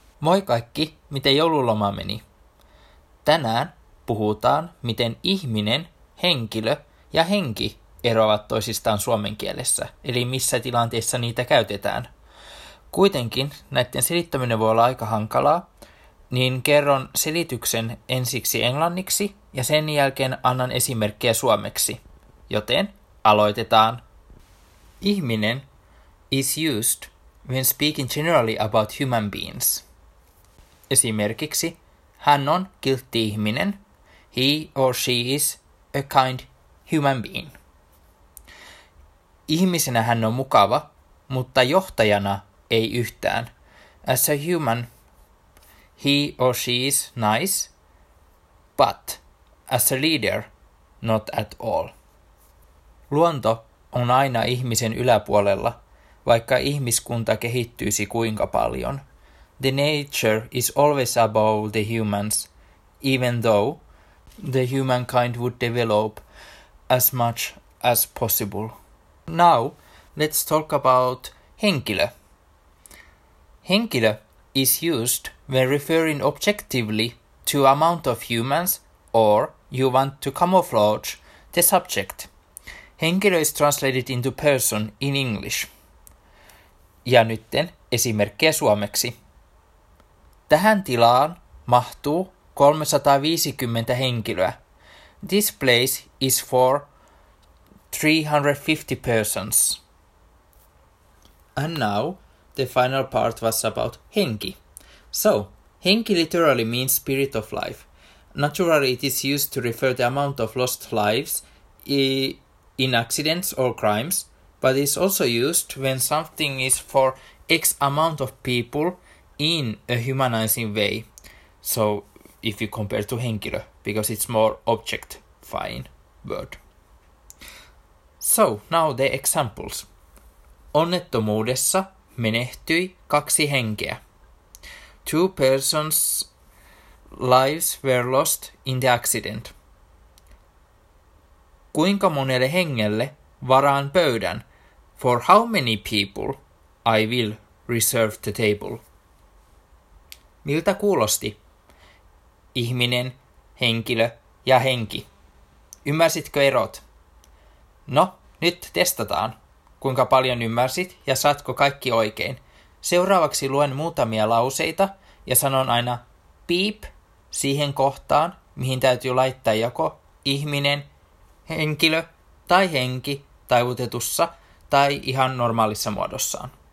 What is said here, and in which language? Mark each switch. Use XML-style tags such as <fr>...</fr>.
<fi>Moi kaikki, miten joululoma meni? Tänään puhutaan, miten ihminen, henkilö ja henki eroavat toisistaan suomen kielessä, eli missä tilanteessa niitä käytetään. Kuitenkin näiden selittäminen voi olla aika hankalaa, niin kerron selityksen ensiksi englanniksi ja sen jälkeen annan esimerkkejä suomeksi. Joten aloitetaan.</fi> <en>Ihminen is used when speaking generally about human beings.</en> <fi>Esimerkiksi, hän on kiltti ihminen,</fi> <en>he or she is a kind human being.</en> <fi>Ihmisenä hän on mukava, mutta johtajana ei yhtään.</fi> <en>As a human, he or she is nice, but as a leader, not at all.</en> <fi>Luonto on aina ihmisen yläpuolella, vaikka ihmiskunta kehittyisi kuinka paljon.</fi> <en>The nature is always above the humans, even though the humankind would develop as much as possible. Now, let's talk about henkilö. Henkilö is used when referring objectively to amount of humans or you want to camouflage the subject. Henkilö is translated into person in English.</en> <fi>Ja nytten esimerkkejä suomeksi. Tähän tilaan mahtuu 350 henkilöä.</fi> <en>This place is for 350 persons. And now, the final part was about henki. So, henki literally means spirit of life. Naturally, it is used to refer the amount of lost lives in accidents or crimes, but is also used when something is for X amount of people in a humanizing way, so if you compare to henkilö, because it's more objectifying word. So, now the examples.</en> <fi>Onnettomuudessa menehtyi 2 henkeä.</fi> <en>2 persons' lives were lost in the accident.</en> <fi>Kuinka monelle hengelle varaan pöydän?</fi> <en>For how many people I will reserve the table?</en> <fi>Miltä kuulosti? Ihminen, henkilö ja henki. Ymmärsitkö erot? No, nyt testataan, kuinka paljon ymmärsit ja saatko kaikki oikein. Seuraavaksi luen muutamia lauseita ja sanon aina beep siihen kohtaan, mihin täytyy laittaa joko ihminen, henkilö tai henki taivutetussa tai ihan normaalissa muodossaan.</fi>